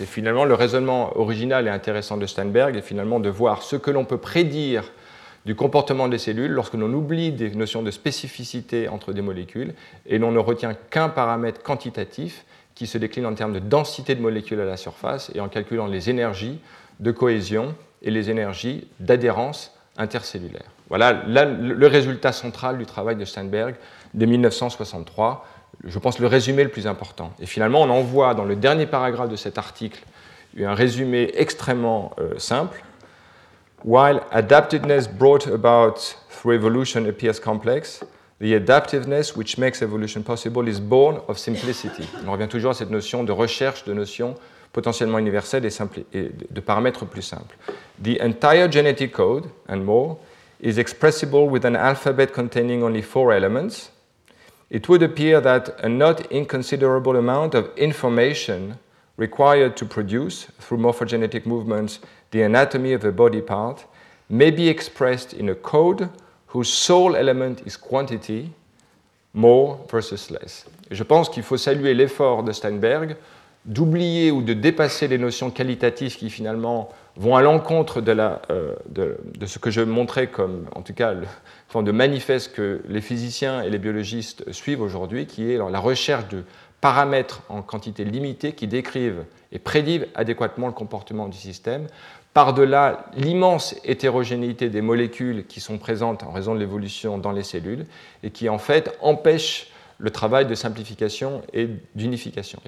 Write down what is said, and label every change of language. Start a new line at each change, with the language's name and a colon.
French: Et finalement, le raisonnement original et intéressant de Steinberg est finalement de voir ce que l'on peut prédire du comportement des cellules lorsque l'on oublie des notions de spécificité entre des molécules et l'on ne retient qu'un paramètre quantitatif qui se décline en termes de densité de molécules à la surface et en calculant les énergies de cohésion et les énergies d'adhérence intercellulaire. Voilà le résultat central du travail de Steinberg de 1963, je pense le résumé le plus important. Et finalement, on en voit dans le dernier paragraphe de cet article un résumé extrêmement simple.
English: While adaptiveness brought about through evolution appears complex, the adaptiveness which makes evolution possible is born of simplicity.
French: On revient toujours à cette notion de recherche de notions potentiellement universelles et, simples, et de paramètres plus simples.
English: The entire genetic code, and more, is expressible with an alphabet containing only four elements. It would appear that a not inconsiderable amount of information required to produce, through morphogenetic movements, the anatomy of a body part, may be expressed in a code whose sole element is quantity, more versus less.
French: Et je pense qu'il faut saluer l'effort de Steinberg d'oublier ou de dépasser les notions qualitatives qui finalement vont à l'encontre de, de ce que je montrais comme, en tout cas, de manifeste que les physiciens et les biologistes suivent aujourd'hui, qui est alors, la recherche de paramètres en quantité limitée qui décrivent et prédivent adéquatement le comportement du système, par-delà l'immense hétérogénéité des molécules qui sont présentes en raison de l'évolution dans les cellules et qui, en fait, empêchent le travail de simplification et d'unification.